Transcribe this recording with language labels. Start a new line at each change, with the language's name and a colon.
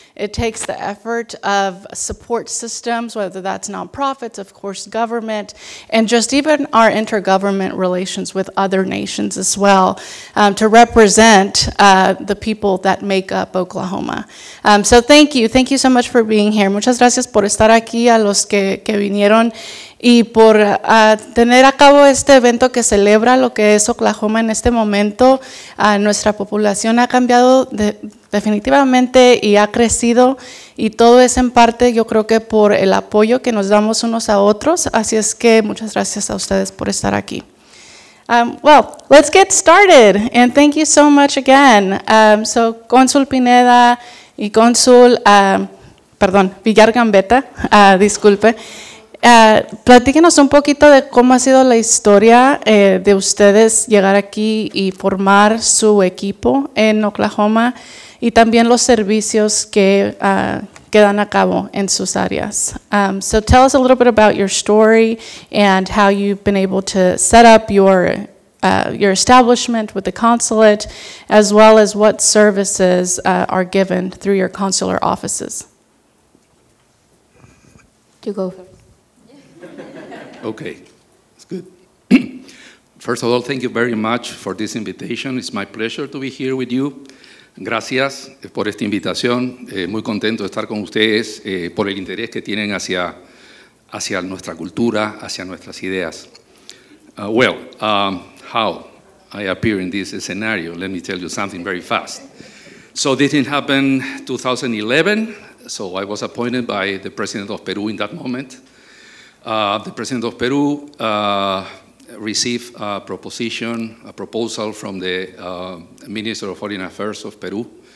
English: It takes the effort of support systems, whether that's nonprofits, of course, government, and just even our intergovernment relations with other nations as well, to represent the people that make up Oklahoma. So thank you. Thank you so much for being here.
Spanish: Muchas gracias por estar aquí a los que vinieron. Y por tener a cabo este evento que celebra lo que es Oklahoma en este momento, nuestra población ha cambiado definitivamente y ha crecido, y todo es en parte, yo creo que por el apoyo que nos damos unos a otros, así es que muchas gracias a ustedes por estar aquí.
English: Well, let's get started, and thank you so much again.
Spanish: So, Consul Pineda y Consul, Villar-Gambetta, disculpe. Platíquenos un poquito de cómo ha sido la historia de ustedes llegar aquí y formar su equipo en Oklahoma y también los servicios que dan a cabo en sus áreas.
English: So tell us a little bit about your story and how you've been able to set up your establishment with the consulate, as well as what services are given through your consular offices. You go. Okay, it's good. First of all, thank you very much for this invitation. It's my pleasure to be here with you.
Spanish: Gracias por esta invitación. Muy contento de estar con ustedes por el interés que tienen hacia nuestra cultura, hacia nuestras ideas.
English: How I appear in this scenario, let me tell you something very fast. So this didn't happen 2011, so I was appointed by the president of Peru in that moment. The president of Peru received a proposal from the Minister of Foreign Affairs of Peru.